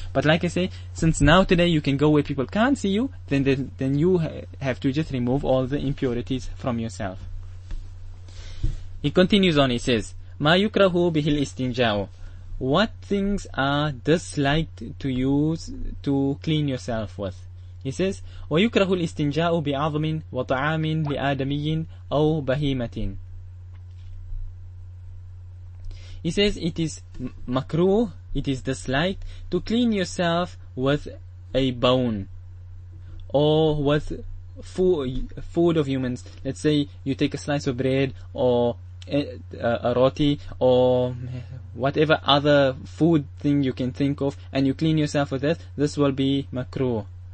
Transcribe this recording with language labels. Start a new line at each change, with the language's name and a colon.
English: But like I say, since now today you can go where people can't see you, then you have to just remove all the impurities from yourself. He continues on, he says,
Arabic: ma yukrahu bihil istinja'u,
English: what things are disliked to use to clean yourself with. He says,
Arabic: وَيُكْرَهُ الْإِسْتِنْجَاءُ بِعَظْمٍ وَطَعَامٍ لِآدَمِيٍ أَوْ بَهِيمَةٍ.
English: He says, it is makruh, it is disliked, to clean yourself with a bone, or with food of humans. Let's say you take a slice of bread, or a roti, or whatever other food thing you can think of, and you clean yourself with this, this will be makruh.